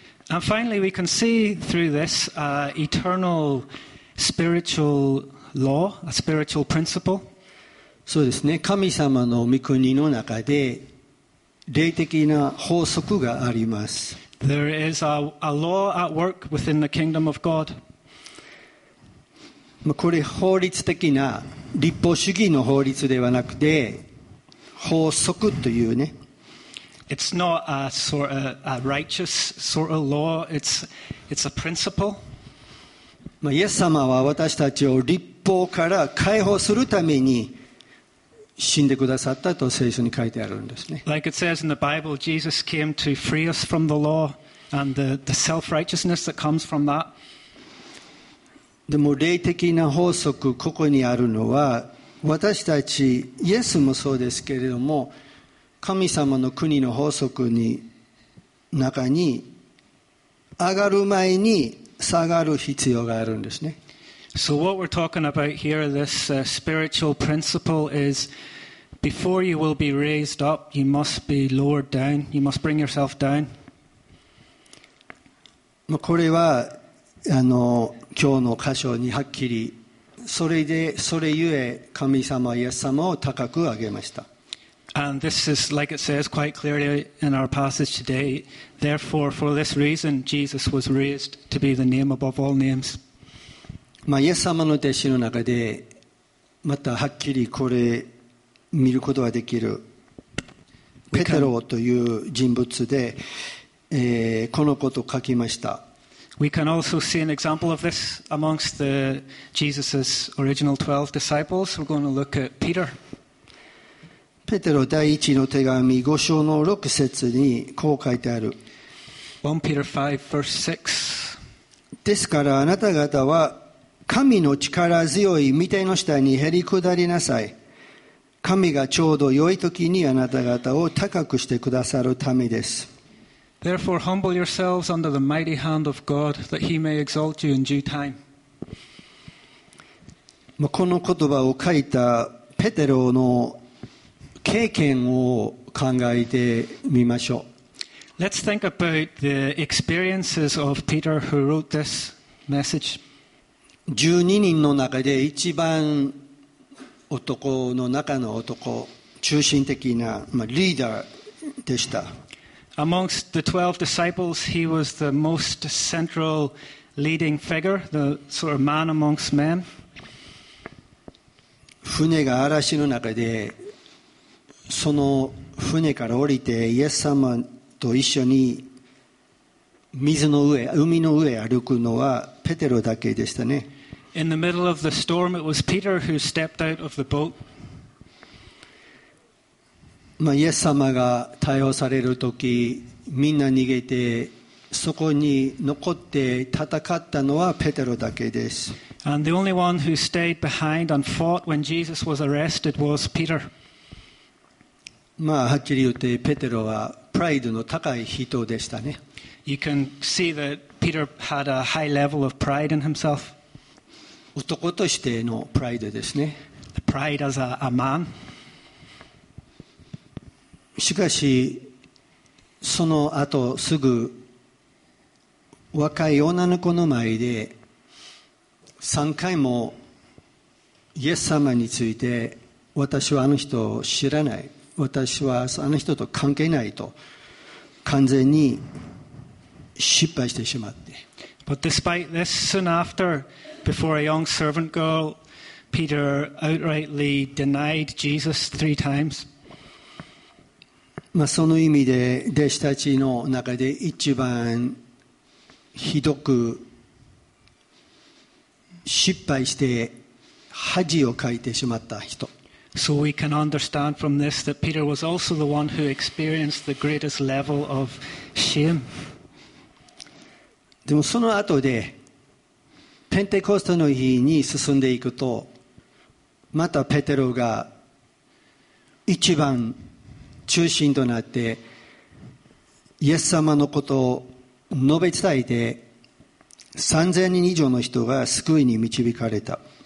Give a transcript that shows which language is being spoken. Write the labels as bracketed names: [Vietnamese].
[English] And finally, we can see through this eternal spiritual law, a spiritual principle. [Japanese] そうですね、神様の御国の中で霊的な法則があります。 [English] There is a law at work within the kingdom of God. [Japanese] これ法律的な立法主義の法律ではなくて法則というね。 [English] It's not a sort of a righteous sort of law. It's a principle. [Japanese] イエス様は私たちを立法から解放するために死んでくださったと聖書に書いてあるんですね。 [English] Like it says in the Bible, Jesus came to free us from the law and the self-righteousness that comes from that. [Japanese] でも霊的な法則ここにあるのは、私たちイエスもそうですけれども、神様の国の法則に中に上がる前に下がる必要があるんですね。 [English] So what we're talking about here, this spiritual principle is before you will be raised up, you must be lowered down. You must bring yourself down. [Japanese] これは今日の箇所にはっきり、それゆえ神様イエス様を高く上げました。 [English] And this is like it says quite clearly in our passage today. Therefore, for this reason, Jesus was raised to be the name above all names. [Japanese] まあ、イエス様の弟子の中でまたはっきりこれ見ることができる。ペテロという人物で、このことを書きました。 [English] We can also see an example of this amongst the Jesus's original 12 disciples. We're going to look at Peter. [Japanese] ペテロ第一の手紙5章の6節にこう書いてある。 [English] 1 Peter 5 verse 6 [Japanese] ですからあなた方は神の力強い御手の下にへり下りなさい。神がちょうど良い時にあなた方を高くしてくださるためです。 [English] Therefore, humble yourselves under the mighty hand of God, that he may exalt you in due time. [Japanese] この言葉を書いたペテロの経験を考えてみましょう。 [English] Let's think about the experiences of Peter who wrote this message. [Japanese] 12人の中で一番男の中の男、中心的な、リーダーでした。 [English] Amongst the 12 disciples, he was the most central leading figure, the sort of man amongst men. [Japanese] 船が嵐の中で、その船から降りて、イエス様と一緒に海の上歩くのはペテロだけでしたね。 [English] In the middle of the storm, it was Peter who stepped out of the boat. [Japanese] イエス様が逮捕されるとき、みんな逃げて、そこに残って戦ったのはペテロだけです。 [English] And the only one who stayed behind and fought when Jesus was arrested was Peter. [Japanese] はっきり言って、ペテロはプライドの高い人でしたね。 [English] You can see that Peter had a high level of pride in himself. [Japanese] 男としてのプライドですね。 [English] Pride as a man. [Japanese] しかしその後すぐ若い女の子の前で3回もイエス様について私はあの人を知らない、私はあの人と関係ないと完全に失敗してしまって、 [English] But despite this, soon after, before a young servant girl, Peter outrightly denied Jesus 3 times. [Japanese] その意味で弟子たちの中で一番ひどく失敗して恥をかいてしまった人。 [English] So we can understand from this that Peter was also the one who experienced the greatest level of shame. [Japanese] でもその後でペンテコステの日に進んでいくと、またペテロが一番中心となってイエス様のことを述べ伝えて3000人以上の人が救いに導かれた。